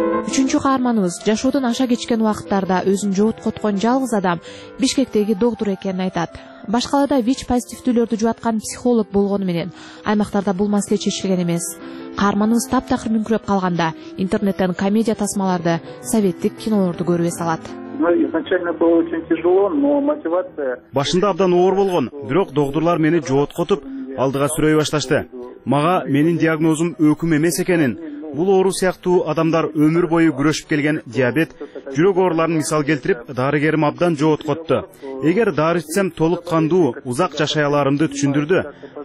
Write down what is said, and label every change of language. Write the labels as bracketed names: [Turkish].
[Kyrgyz] Үчүнчү каарманыбыз жашоодон аша кечкен убакыттарда өзүн жоготкон жалгыз адам Бишкектеги доктур экенин айтат. Баш калада вич позитивдүүлөрдү жубаткан психолог болгону менен аймактарда бул маселе чечилген эмес. Каарманыбыз таптакыр мүңкүрөп калганда интернеттен комедия тасмаларды, советтик кинолорду көрүп эс алат. [Russian] Изначально было очень тяжело, но мотивация. [Kyrgyz] Башында абдан оор болгон, бирок доктурлар мени жоготкотуп алдыга сүрөй башташты. Мага менин диагнозум өкүм эмес экенин, бул оору сыяктуу адамдар өмүр бою күрөшүп келген диабет, жүрөк ооруларын мисал келтирип, дарыгерим абдан жоготкотту. Эгер дары ичсем толук кандуу узак жашай аларымды түшүндүрдү.